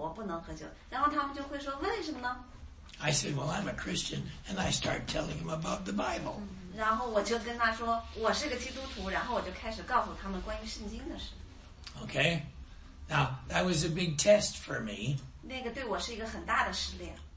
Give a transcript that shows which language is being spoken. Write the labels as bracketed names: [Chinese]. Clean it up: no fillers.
[Chinese] 在那里人们通常会请我喝最好的酒，然后我就说不，我不能喝酒。然后他们就会说，为什么呢？ [English] I said, well, I'm a Christian, and I start telling them about the Bible. [Chinese] 然后我就跟他说，我是个基督徒，然后我就开始告诉他们关于圣经的事。 [English] Okay. Now, that was a big test for me. [Chinese] 那个对我是一个很大的试炼。